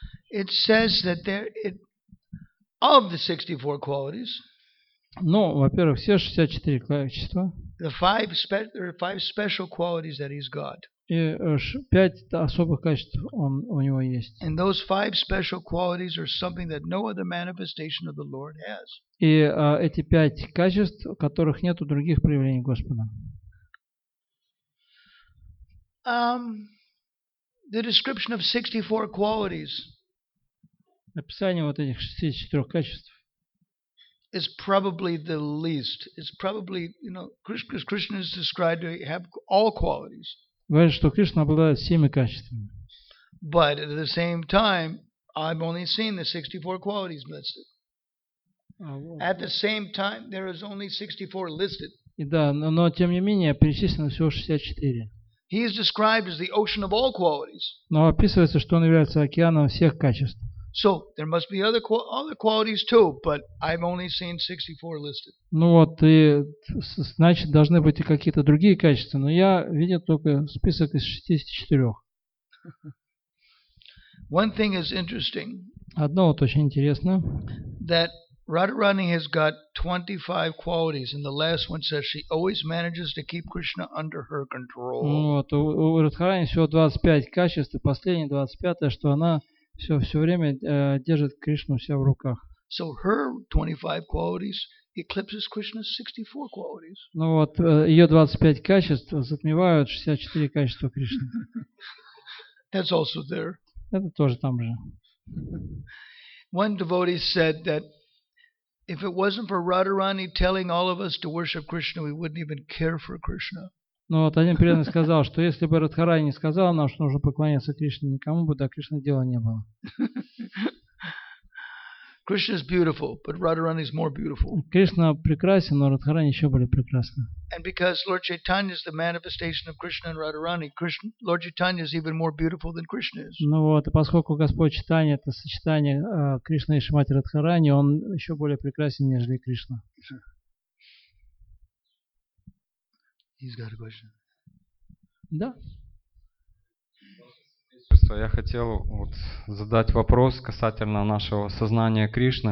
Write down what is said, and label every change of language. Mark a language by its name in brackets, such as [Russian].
[English] It says that there it of the 64 qualities. [Russian] Ну, во-первых, все 64 качества. [English] There are five special qualities that he's got. [Russian] И пять особых качеств он у него есть. [English] And those five special qualities are something that no other manifestation of the Lord has. [Russian] И эти пять качеств, которых нет у других проявлений Господа. [English] The description of 64 qualities. [Russian] Описание вот этих 64 качеств. [English] Is probably the least. It's probably, you know, Krishna is described to have all qualities. [Russian] Говорит, что Кришна обладает всеми качествами. [English] But at the same time, I've only seen the 64 qualities listed. At the same time, there is only 64 listed. [Russian] И да, но тем не менее перечислено всего 64. [English] He is described as the ocean of all qualities. [Russian] Но описывается, что он является океаном всех качеств. [English] So there must be other qualities too, but I've only seen 64 listed. [Russian] Ну вот, и значит, должны быть и какие-то другие качества, но я видел только список из 64. [English] One thing is interesting. [Russian] Одно вот очень интересно. [English] That Radharani has got 25 qualities, and the last one says she always manages to keep Krishna under her control. [Russian] Ну вот, у Радхарани всего 25 качеств, и последнее 25-е, что она все время держит Кришну себя в руках. [English] So her 25 qualities eclipses Krishna's 64 qualities. [Russian] Ну вот, ее 25 качеств затмевают 64 качества Кришны. [English] That's also there. [Russian] Это тоже там же. [English] One devotee said that if it wasn't for Radharani telling all of us to worship Krishna, we wouldn't even care for Krishna. [Russian] Ну вот один преданный сказал, что если бы Радхарани не сказал нам, что нужно поклоняться Кришне, никому бы до Кришны дела не было. [English] Krishna is beautiful, but Radharani is more beautiful. [Russian] Кришна прекрасен, но Радхарани еще более прекрасна. [English] And because Lord Chaitanya is the manifestation of Krishna and Radharani, Lord Chaitanya is even more beautiful than Krishna is. [Russian] Ну вот, и поскольку Господь Чайтанья это сочетание Кришны и Шримати Радхарани, он еще более прекрасен, нежели Кришна. [English] He's got a question. [Russian] Да. Я хотел вот задать вопрос касательно нашего сознания Кришны.